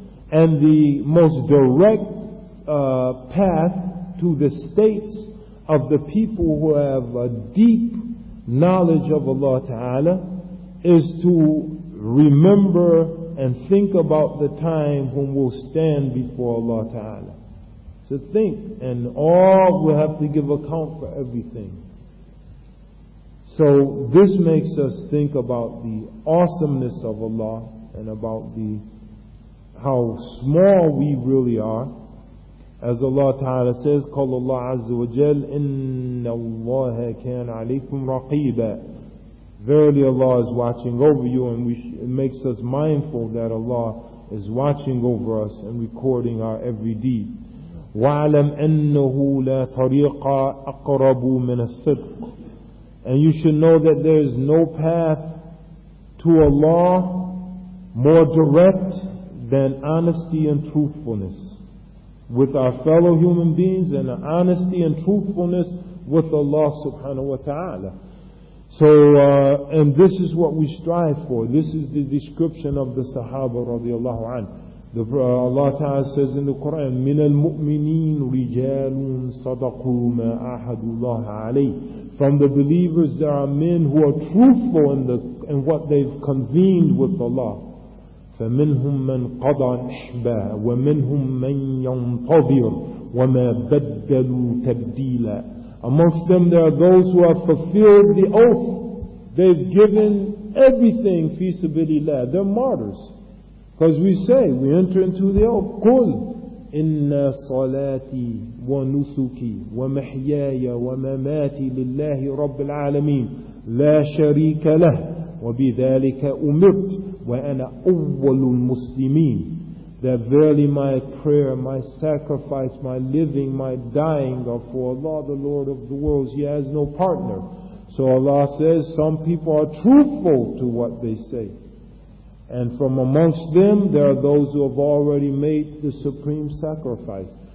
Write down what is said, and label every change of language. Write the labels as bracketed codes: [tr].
[en] And the most direct path to the states of the people who have a deep knowledge of Allah Ta'ala is to remember and think about the time when we'll stand before Allah Ta'ala. So think, and all will have to give account for everything. So this makes us think about the awesomeness of Allah and about the how small we really are. As Allah Ta'ala says, [ar] قَالَ اللَّهُ عَزَّ وَجَلْ إِنَّ اللَّهَ كَانَ عَلَيْكُمْ رَقِيبًا. [en] Verily Allah is watching over you, and it makes us mindful that Allah is watching over us and recording our every deed. [ar] وَعَلَمْ أَنَّهُ لَا طَرِيقَ أَقْرَبُ مِنَ الصِّدْقِ. [en] And you should know that there is no path to Allah more direct than honesty and truthfulness with our fellow human beings, and honesty and truthfulness with Allah subhanahu wa ta'ala. So, and this is what we strive for. This is the description of the Sahaba radiallahu anhu. Allah ta'ala says in the Quran, [ar] مِنَ الْمُؤْمِنِينَ رِجَالٌ صَدَقُوا مَا أَحَدُ اللَّهَ عَلَيْهِ. [en] From the believers there are men who are truthful in what they've convened with Allah. [ar] فَمِنْهُمْ مَنْ قَضَى نِحْبًا وَمِنْهُمْ مَنْ يَنْطَبِرُ وَمَا بَدَّلُوا تَبْدِيلًا. [en] Amongst them there are those who have fulfilled the oath. They've given everything fi sabilillah. They're martyrs. Because we say, we enter into the oath, [ar] قُلْ إِنَّ صَلَاتِي وَنُسُكِي وَمَحْيَايَ وَمَمَاتِي لِلَّهِ رَبِّ الْعَالَمِينَ لَا شَرِيكَ لَهُ وَبِذَلِكَ أُمِرْتُ وَأَنَا أَوَّلُ الْمُسْلِمِينَ. [en] That verily my prayer, my sacrifice, my living, my dying are for Allah, the Lord of the worlds. He has no partner. So Allah says some people are truthful to what they say. And from amongst them, there are those who have already made the supreme sacrifice.